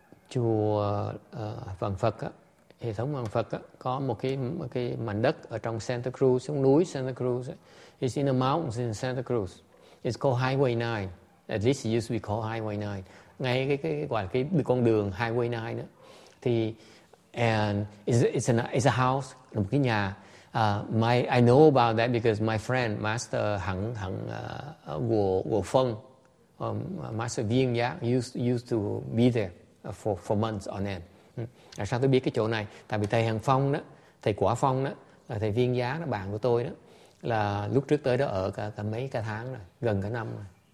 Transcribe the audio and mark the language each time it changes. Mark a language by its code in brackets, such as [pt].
[vi] chùa Vạn Phật á, hệ thống Vạn Phật á, có một cái mảnh đất ở trong Santa Cruz, trong núi Santa Cruz. [en] It's in the mountains in Santa Cruz. It's called Highway 9. At least it used to be called Highway 9. [vi] Ngay cái con đường Highway 9 đó. Thì [en] and it's a house, [vi] một cái nhà. [en] I know about that because my friend Master Hằng Wu Feng, Master Viên Giác used to be there for months on end. [vi] Tại sao tôi biết cái chỗ này? Tại vì thầy Hằng Phong đó, thầy Quả Phong đó, là thầy Viên Giác đó, bạn của tôi đó, là lúc trước tới đó ở cả mấy cả tháng rồi, gần cả năm rồi.